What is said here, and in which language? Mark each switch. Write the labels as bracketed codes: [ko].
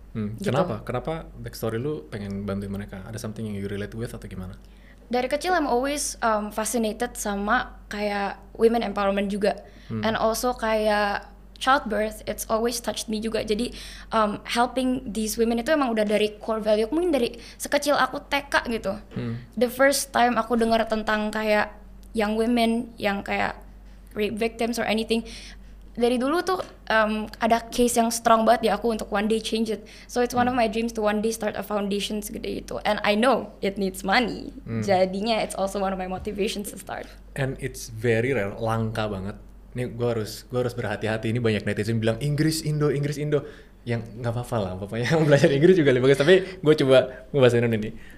[id] Gitu. Kenapa backstory lu pengen bantuin mereka? Ada something yang [en] you relate with [id] atau gimana? Dari kecil [en] I'm always fascinated [id] sama kayak women empowerment juga. [en] And also kayak childbirth, it's always touched me juga. [id] Jadi [en] helping these women [id] itu emang udah dari core value. Mungkin dari sekecil aku TK gitu. [en] The first time [id] aku dengar tentang kayak [en] young women [id] yang kayak [en] rape victims or anything, [id] dari dulu tuh ada case yang strong banget di aku untuk [en] one day change it. So it's one of my dreams to one day start a foundation [id] segede itu. [en] And I know it needs money. [id] Jadinya [en] it's also one of my motivations to start. And it's very rare, [id] langka banget. Nih gua harus berhati-hati, ini banyak netizen bilang Inggris Indo. Yang gak apa-apa lah, bapaknya yang belajar Inggris juga lebih bagus. Tapi gua coba bahasa Indonesia ini.